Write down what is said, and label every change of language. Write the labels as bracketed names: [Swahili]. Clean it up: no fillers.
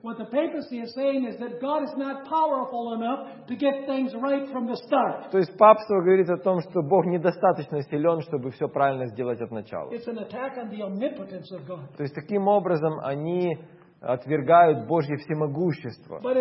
[English] What the papacy is saying is that God is not powerful enough to get things right from the start. [Russian] То есть папство говорит о том, что Бог недостаточно силен, чтобы все правильно сделать от начала. [English] It's an attack on the omnipotence of God. [Russian] То есть таким образом они отвергают Божье всемогущество.